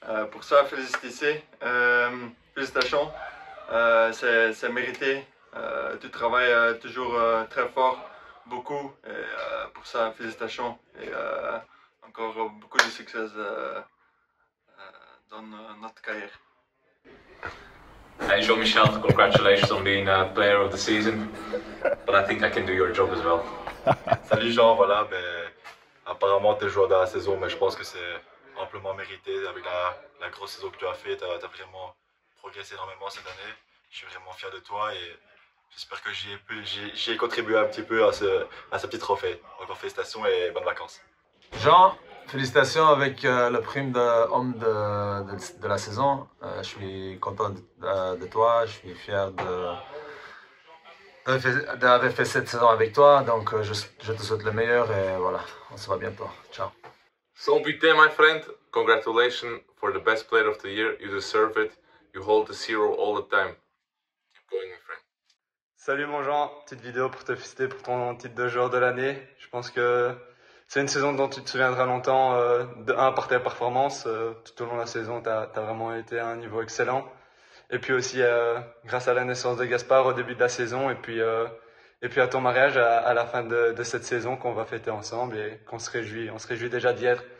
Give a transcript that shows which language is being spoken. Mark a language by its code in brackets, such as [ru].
[fr] Pour ça, félicitations. C'est mérité. Tu travailles toujours très fort, beaucoup, et pour ça, félicitations et encore beaucoup de succès dans notre carrière. [en] Hey Jean-Michel, congratulations on being a player of the season, but I think I can do your job as well. [fr] Salut Jean, voilà, mais apparemment t'es joueur de la saison, mais je pense que c'est amplement mérité avec la grosse saison que tu as fait. T'as vraiment progressé énormément cette année, je suis vraiment fier de toi et J'espère que j'ai contribué un petit peu à ce petit trophée. Encore félicitations et bonnes vacances. Jean, félicitations avec la prime d'homme de la saison. Je suis content de toi, je suis fier d'avoir fait cette saison avec toi. Donc je te souhaite le meilleur et voilà, on se voit bientôt. Ciao. [en] Sans buté, my friend. Congratulations for the best player of the year. You deserve it. You hold the zero all the time. Keep going, my friend. [fr] Salut mon Jean, petite vidéo pour te féliciter pour ton titre de joueur de l'année. Je pense que c'est une saison dont tu te souviendras longtemps, d'un par ta performance. Tout au long de la saison, t'as vraiment été à un niveau excellent. Et puis aussi, grâce à la naissance de Gaspard au début de la saison, et puis à ton mariage à la fin de cette saison qu'on va fêter ensemble et qu'on se réjouit. On se réjouit déjà d'y être.